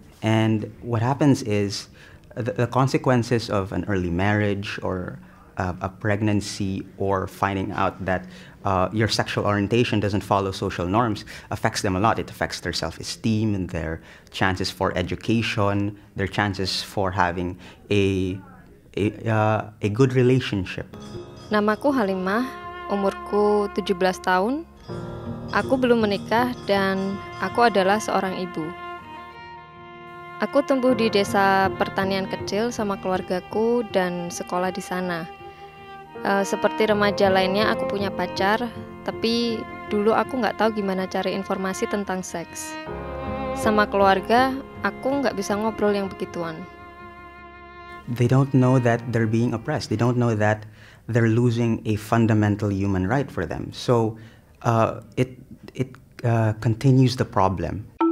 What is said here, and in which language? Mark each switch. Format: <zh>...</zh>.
<en>And what happens is the consequences of an early marriage or a pregnancy or finding out that your sexual orientation doesn't follow social norms affects them a lot. It affects their self-esteem and their chances for education, their chances for having a good relationship.</en> <id>Namaku Halimah, umurku 17 tahun. Aku belum menikah dan aku adalah seorang ibu. Aku tumbuh di desa pertanian kecil sama keluargaku dan sekolah di sana. Seperti remaja lainnya, aku punya pacar, tapi dulu aku nggak tahu gimana cari informasi tentang seks. Sama keluarga, aku nggak bisa ngobrol yang begituan.</id> <en>They don't know that they're being oppressed. They don't know that they're losing a fundamental human right for them. So it continues the problem.</en>